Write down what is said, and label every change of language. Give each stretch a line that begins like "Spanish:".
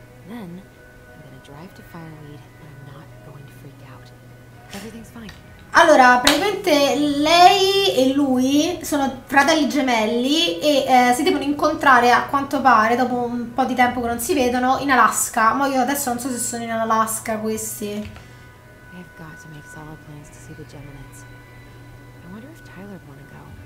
English: Then I'm gonna drive to Fireweed and I'm not going to freak out. Everything's fine.
Italian: Allora, praticamente lei e lui sono fratelli gemelli e si devono incontrare a quanto pare dopo un po' di tempo che non si vedono in Alaska. Ma io adesso non so se sono in Alaska questi.
English: I've got to make solid plans to see the Geminids. I wonder if Tyler would want to go.